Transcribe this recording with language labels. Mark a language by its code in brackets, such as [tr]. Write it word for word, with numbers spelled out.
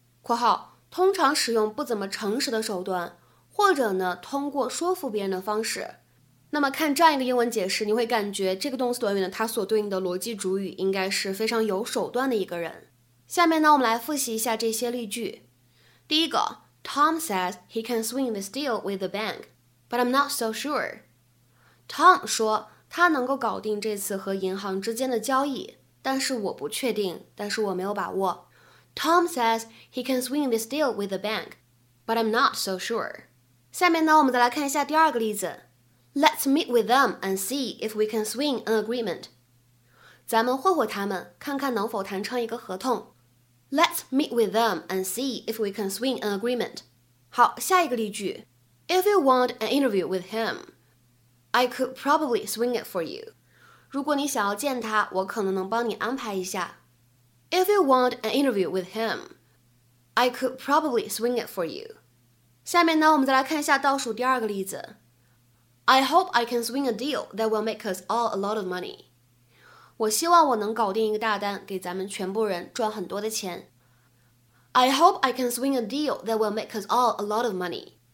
[zh] 括号通常使用不怎么诚实的手段，或者呢通过说服别人的方式。那么看这样一个英文解释，你会感觉这个动词短语呢，它所对应的逻辑主语应该是非常有手段的一个人。下面呢，我们来复习一下这些例句。第一个 [en] ，Tom says he can swing this deal with the bank, but I'm not so sure. [zh] Tom 说他能够搞定这次和银行之间的交易。但是我不确定，但是我没有把握。 [en] Tom says he can swing this deal with the bank, but I'm not so sure. [zh] 下面呢，我们再来看一下第二个例子。 [en] Let's meet with them and see if we can swing an agreement. [zh] 咱们会会他们，看看能否谈成一个合同。 [en] Let's meet with them and see if we can swing an agreement. [zh] 好，下一个例句。 [en] If you want an interview with him, I could probably swing it for you. [zh] 如果你想要见他，我可能能帮你安排一下。 [en] If you want an interview with him, I could probably swing it for you. [zh] 下面呢，我们再来看一下倒数第二个例子。 [en] I hope I can swing a deal that will make us all a lot of money. [zh] 我希望我能搞定一个大单，给咱们全部人赚很多的钱。 [en] I hope I can swing a deal that will make us all a lot of money.